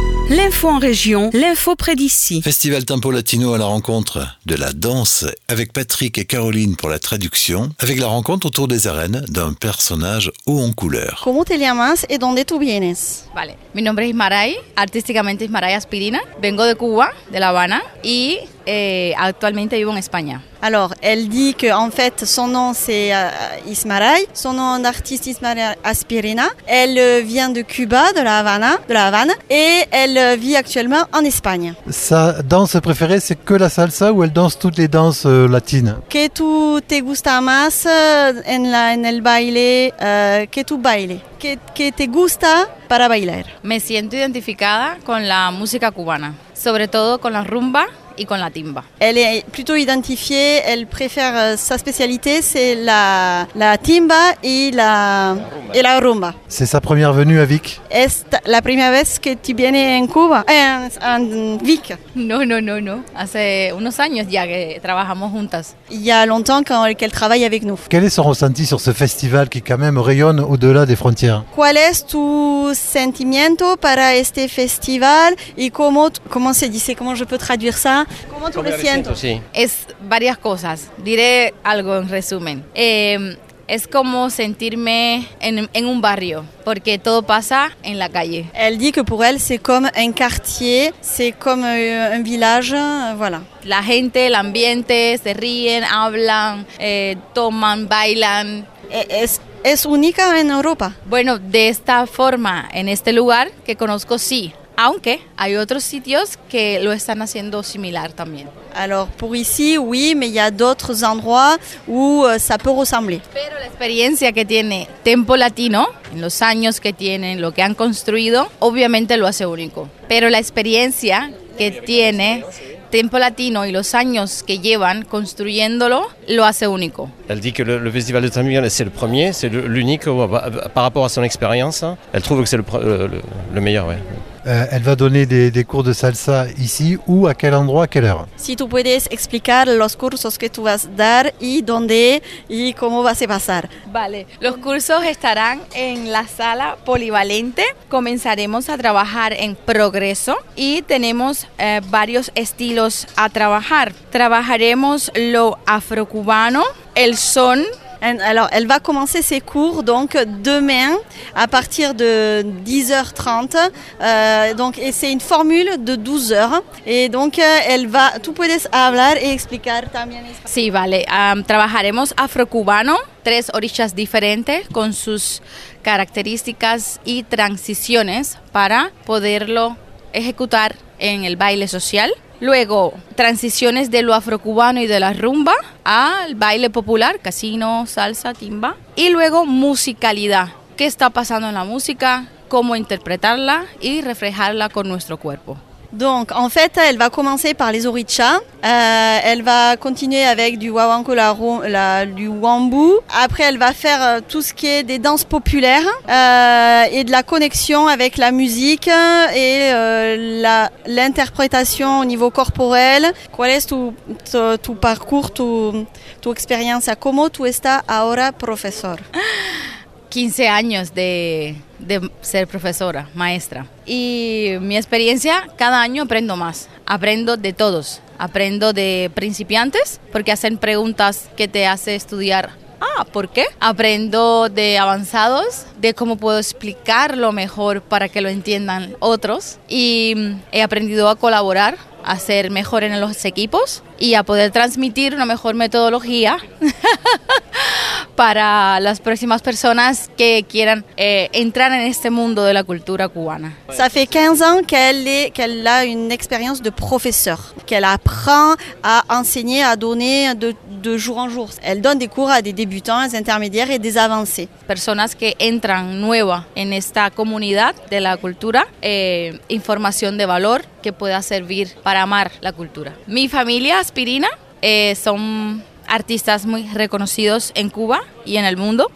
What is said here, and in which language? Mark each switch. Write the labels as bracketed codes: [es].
[fr] L'info en région, l'info près d'ici. Festival Tempo Latino à la rencontre de la danse avec Patrick et Caroline pour la traduction, avec la rencontre autour des arènes d'un personnage haut en couleur. [es] ¿Cómo te llamas y dónde tú vienes? Vale, mi nombre es Maray, artísticamente es Maray Aspirina. Vengo de Cuba, de La Habana, y actualmente vivo en España. [fr] Alors, elle dit que en fait son nom c'est Ismaray, son nom d'artiste Ismaray Aspirina. Elle vient de Cuba, de la Havane, et elle vit actuellement en Espagne. Sa danse préférée c'est que la salsa ou elle danse toutes les danses latines? [es] Que tu te gusta más en el baile, que tu baile, que te gusta para bailar. Me siento identificada con la música cubana, sobre todo con la rumba. Y con la timba. [fr] Elle est plutôt identifiée, elle préfère sa spécialité, c'est la timba et la rumba. C'est sa première venue à Vic? Est la première fois que tu viens en Cuba, en Vic? Non. [es] Hace unos años ya que trabajamos juntas. [fr] Il y a longtemps qu'elle travaille avec nous. Quel est son ressenti sur ce festival qui quand même rayonne au-delà des frontières? [es] ¿Cuál es tu sentimiento para este festival y [fr] comment je peux traduire ça? [es] ¿Cómo tú lo sientes? Sí. Es varias cosas. Diré algo en resumen. Es como sentirme en un barrio, porque todo pasa en la calle. [fr] Elle dit que pour elle c'est comme un quartier, c'est comme un village, voilà. [es] La gente, el ambiente, se ríen, hablan, toman, bailan. Es única en Europa. Bueno, de esta forma, en este lugar que conozco, sí. Aunque hay otros sitios que lo están haciendo similar también. [fr] Alors, pour ici, oui, mais il y a d'autres endroits où ça peut ressembler. [es] Pero la experiencia que tiene Tempo Latino, en los años que tienen, lo que han construido, obviamente lo hace único. Pero la experiencia que tiene Tempo Latino y los años que llevan construyéndolo lo hace único. [fr] Elle dit que le festival de Tempo Latino, c'est le premier, c'est l'unique par rapport à son expérience. Elle trouve que c'est le meilleur, ouais. Elle va donner des cours de salsa ici ou à quel endroit, à quelle heure? [es] Si tu puedes explicar los cursos que tú vas a dar y dónde y cómo va a pasar. Vale, los cursos estarán en la sala polivalente. Comenzaremos a trabajar en progreso y tenemos varios estilos a trabajar. Trabajaremos lo afrocubano, el son. [fr] Alors, elle va commencer ses cours donc demain à partir de 10h30. Donc, et c'est une formule de 12 heures. Et donc, elle va. [es] Tu puedes hablar y explicar también. Sí, vale. Trabajaremos afrocubano, tres orillas diferentes con sus características y transiciones para poderlo ejecutar en el baile social. Luego, transiciones de lo afrocubano y de la rumba al baile popular, casino, salsa, timba. Y luego, musicalidad. ¿Qué está pasando en la música? ¿Cómo interpretarla y reflejarla con nuestro cuerpo? [fr] Donc, en fait, elle va commencer par les orichas, elle va continuer avec du wawanko, du wambu. Après, elle va faire tout ce qui est des danses populaires et de la connexion avec la musique et l'interprétation au niveau corporel. [es] ¿Cuál es tu parcours, tu experiencia? ¿Cómo tú estás ahora, profesor? 15 años de ser profesora, maestra. Y mi experiencia, cada año aprendo más. Aprendo de todos. Aprendo de principiantes, porque hacen preguntas que te hacen estudiar. Ah, ¿por qué? Aprendo de avanzados, de cómo puedo explicarlo mejor para que lo entiendan otros. Y he aprendido a colaborar, a ser mejor en los equipos y a poder transmitir una mejor metodología. Para las próximas personas que quieran entrar en este mundo de la cultura cubana. [fr] Ça fait 15 ans qu'elle a une expérience de professeur, qu'elle apprend à enseigner, à donner de jour en jour. Elle donne des cours à des débutants, des intermédiaires et des avancés. [es] Personas que entran nuevas en esta comunidad de la cultura, información de valor que pueda servir para amar la cultura. Mi familia aspirina son artistas muy reconocidos en Cuba y en el mundo.